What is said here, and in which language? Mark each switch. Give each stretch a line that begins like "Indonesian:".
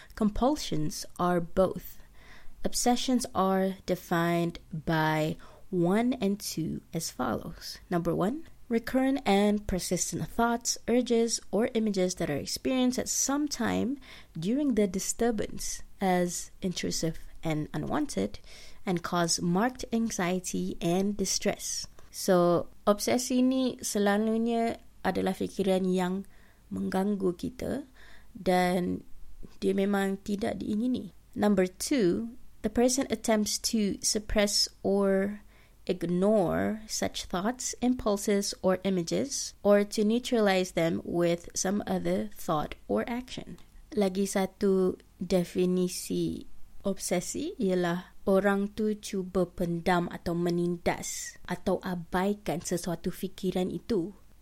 English: Compulsions are both. Obsessions are defined by 1 and 2 as follows. Number 1, recurrent and persistent thoughts, urges, or images that are experienced at some time during the disturbance as intrusive and unwanted and cause marked anxiety and distress.
Malay: So, obsesi ni selalunya adalah fikiran yang mengganggu kita dan dia memang tidak diingini.
English: Number 2, the person attempts to suppress or ignore such thoughts, impulses, or images, or to neutralize them with some other thought or action.
Malay: Lagi satu definisi obsesi ialah orang tu cuba pendam atau menindas atau abaikan sesuatu fikiran itu.